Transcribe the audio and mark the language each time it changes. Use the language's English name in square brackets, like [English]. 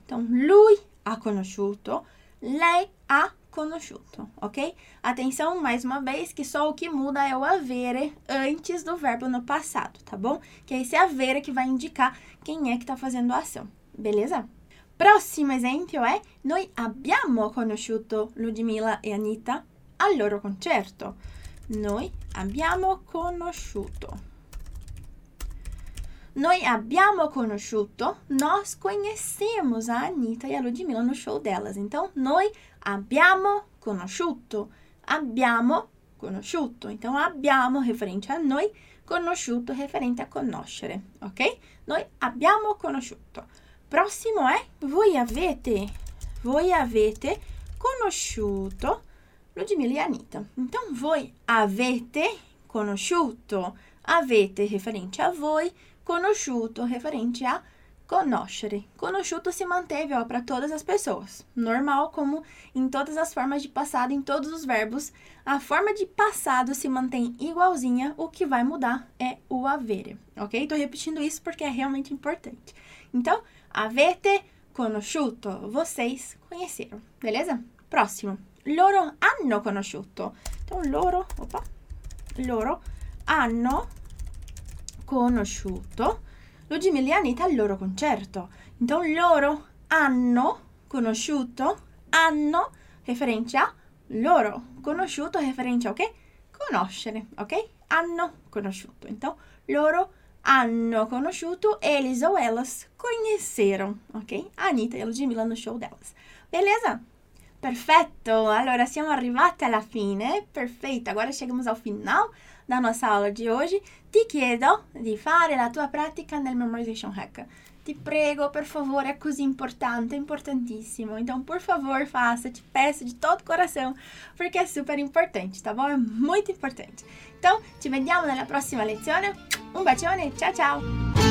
[Italian] Então, lui ha conosciuto, lei ha conosciuto, ok? [Portuguese] Atenção, mais uma vez, que só o que muda é o avere antes do verbo no passado, tá bom? Que é esse avere que vai indicar quem é que tá fazendo a ação, beleza? Próximo exemplo é, [Italian] noi abbiamo conosciuto Ludmilla e Anitta al loro concerto. Noi abbiamo conosciuto. Noi abbiamo conosciuto. [Portuguese] Nós conhecemos a Anitta e a Ludmilla no show delas. [Italian] Então, noi abbiamo conosciuto. Abbiamo conosciuto. [Portuguese] Então, abbiamo referente a noi, conosciuto referente a conoscere. Ok? [Italian] Noi abbiamo conosciuto. [Portuguese] Próximo é [Italian] voi avete. Voi avete conosciuto Ludmilla e Anitta. Então, voi avete conosciuto. [Portuguese] Avete referente a voi, conosciuto referente a conoscere. Conosciuto se manteve para todas as pessoas. Normal, como em todas as formas de passado, em todos os verbos, a forma de passado se mantém igualzinha. O que vai mudar é o avere, ok? Estou repetindo isso porque é realmente importante. [Italian] Então, avete conosciuto. [Portuguese] Vocês conheceram, beleza? [Italian] Próximo. Loro hanno conosciuto. Então, loro, opa, loro hanno conosciuto Ludmilla e Anitta al loro concerto. Então, loro hanno conosciuto, hanno [Portuguese] referente a [Italian] loro, conosciuto referente a o che? Conoscere, ok? Hanno conosciuto. [Portuguese] Então, [Italian] loro hanno conosciuto, [Portuguese] eles ou elas conheceram, ok? Anitta e Ludmilla no show delas. Beleza? Perfetto! [Italian] Allora, siamo arrivati alla fine. Perfetto! [Portuguese] Agora chegamos ao final da nossa aula de hoje. [Italian] Ti chiedo di fare la tua pratica nel Memorization Hack. Ti prego, per favore, è così importante, importantissimo. [Portuguese] Então, por favor, faça, te peço de todo coração, [Italian] perché è super importante, [Portuguese] tá bom? [Italian] È molto importante. [Portuguese] Então, [Italian] ci vediamo nella prossima lezione. Un bacione, ciao ciao!